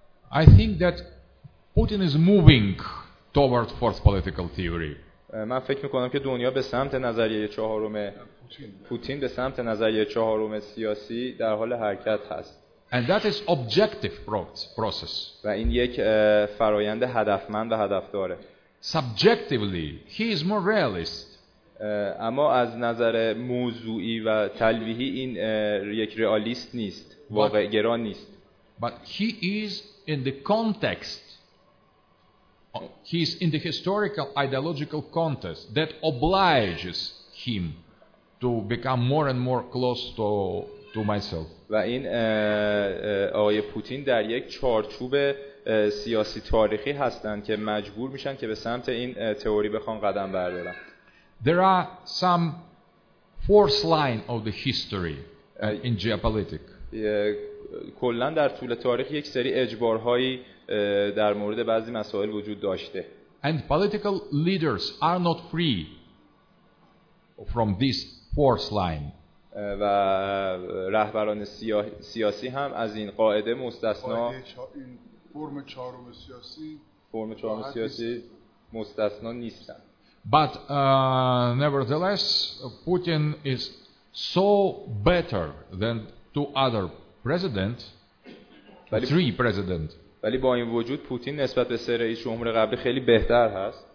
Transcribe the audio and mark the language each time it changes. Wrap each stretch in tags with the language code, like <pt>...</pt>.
<en>I think that Putin is moving toward fourth political theory.</en> <fa>من فکر میکنم که دنیا به سمت نظریه چهارم پوتین به سمت نظریه چهارم سیاسی در حال حرکت هست.</fa> <en>And that is objective process.</en> <fa>و این یک فرایند هدفمند و هدفداره.</fa> <en>Subjectively, he is more realist.</en> <fa>اما از نظر موضوعی و تلویحی این یک رئالیست نیست، واقع‌گرا نیست.</fa> <en>But he is in the context. He is in the historical ideological context that obliges him to become more and more close to myself.</en> <fa>و این آقای پوتین در یک چارچوب سیاسی تاریخی هستند که مجبور میشن که به سمت این تئوری بخوان قدم بردارن.</fa> <en>There are some fourth line of the history in geopolitics.</en> <fa>کلن در طول تاریخ یک سری اجبارهایی در مورد بعضی مسائل وجود داشته.</fa> <en>And political leaders are not free from this fourth line.</en> <fa>و رهبران سیاسی هم از این قاعده مستثنا. این فرم چهارم سیاسی. فرم چهارم سیاسی مستثنا نیستن.</fa> <en>But nevertheless, Putin is so better than two other president, three president.</en> <fa>ولی با این وجود پوتین نسبت به سر رئیس جمهور قبلی خیلی بهتر هست.</fa>